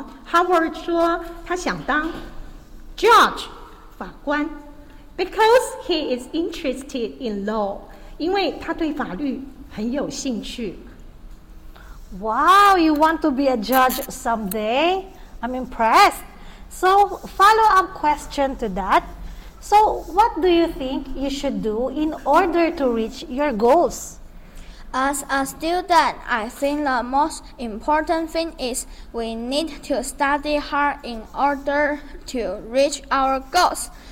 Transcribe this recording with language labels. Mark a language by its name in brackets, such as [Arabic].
[English] Howard [Chinese] 说他想当 [English] judge, [Chinese] 法官, [English] because he is interested in law. [Chinese] 因为他对法律很有兴趣. [English] Wow, you want to be a judge someday? I'm impressed. So, follow-up question to that. So, what do you think you should do in order to reach your goals? As a student, I think the most important thing is we need to study hard in order to reach our goals.